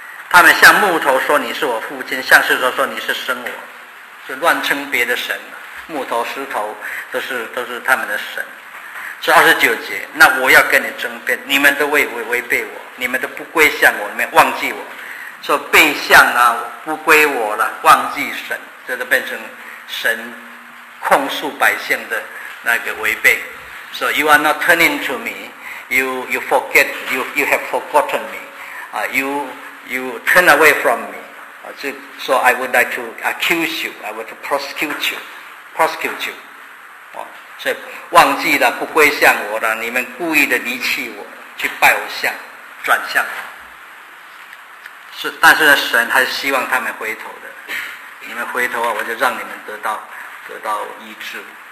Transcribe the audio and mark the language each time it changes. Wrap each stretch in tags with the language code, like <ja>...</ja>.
<zh>他们像木头说你是我父亲，像石头说你是生我，就乱称别的神，木头石头都是他们的神。是29节，那我要跟你争辩，你们都违背我，你们都不归向我，你们忘记我，说背向啊，不归我了，忘记神，这都变成神控诉百姓的那个违背。</zh> <en>So you are not turning to me, you have forgotten me, you turn away from me, so I would like to accuse you, I would prosecute you.</en> <zh>所以忘记了，不归向我了，你们故意的离弃我，去拜偶像，转向我。但是呢，神还是希望他们回头的，你们回头啊，我就让你们得到医治。</zh>